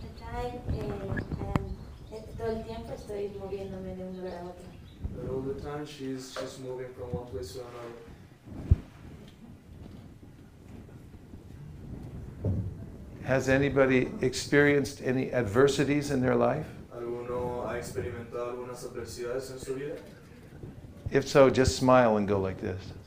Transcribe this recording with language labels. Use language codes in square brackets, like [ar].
[en] But all the time she's just moving from one place to another. Has anybody experienced any adversities in their life? [es] ¿Alguno ha experimentado algunas adversidades en su vida? [en] If so, just smile and go like this.